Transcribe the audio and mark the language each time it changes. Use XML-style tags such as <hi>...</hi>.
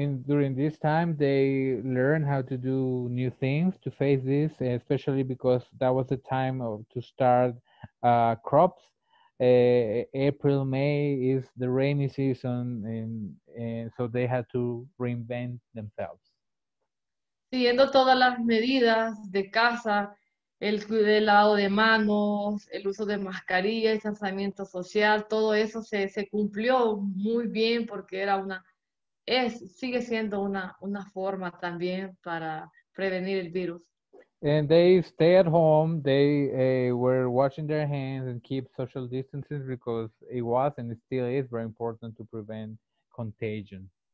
<en>During this time, they learned how to do new things to face this, especially because that was the time to start crops. April, May is the rainy season, and so they had to reinvent themselves.</en> <es>Siguiendo todas las medidas de casa, el cuidado del lavado de manos, el uso de mascarilla, el distanciamiento social, todo eso se cumplió muy bien porque sigue siendo una forma también para prevenir el virus.</es> <en>And they stay at home, they were washing their hands and keep social distances because it was and it still is very important to prevent contagion.</en>